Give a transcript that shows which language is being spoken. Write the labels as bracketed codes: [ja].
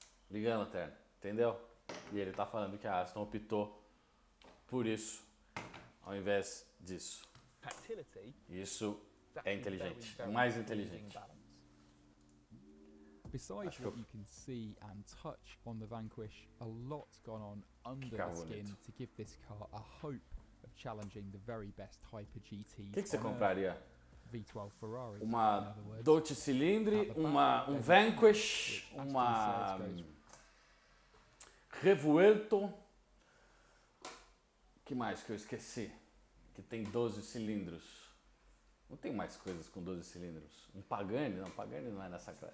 [pt] Liga a lanterna, entendeu? E ele tá falando que a Aston optou por isso ao invés disso. Isso é inteligente, mais inteligente. [en] Besides what you can see and touch on the Vanquish, a lot's gone on under the skin to give this car a hope of challenging the very best Hyper GT. [pt] Que você compraria? V12 Ferrari. Uma 12 cilindri, um Vanquish, uma Revuelto. Que mais que eu esqueci? Que tem 12 cilindros. Não tem mais coisas com 12 cilindros. Um Pagani? Não, Pagani não é nessa...